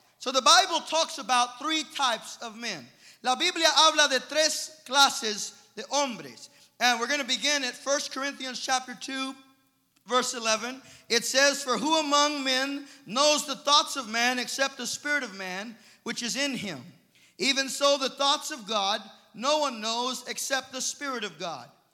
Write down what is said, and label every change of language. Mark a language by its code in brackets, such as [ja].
[en] So the Bible talks about three types of men. [es] La Biblia habla de tres clases de hombres. [en] And we're going to begin at 1 Corinthians chapter 2, verse 11. It says, "For who among men knows the thoughts of man except the spirit of man which is in him? Even so the thoughts of God no one knows except the Spirit of God.